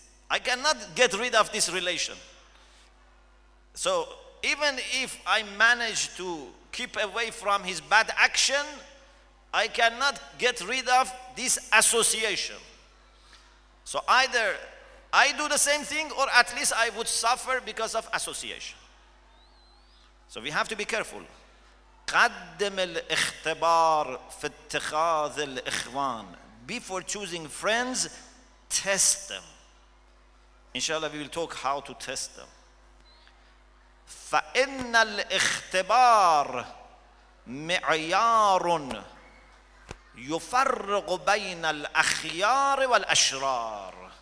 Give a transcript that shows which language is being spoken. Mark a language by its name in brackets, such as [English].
[English] I cannot get rid of this relation. So even if I manage to keep away from his bad action, I cannot get rid of this association. So either I do the same thing or at least I would suffer because of association. So we have to be careful. [Arabic] قدم الاختبار في اتخاذ الاخوان. [English] Before choosing friends, test them. Inshallah, we will talk how to test them. [Arabic] فَإِنَّ الْإِخْتِبَارِ مِعْيَارٌ يُفَرِّقُ بَيْنَ الْأَخْيَارِ وَالْأَشْرَارِ.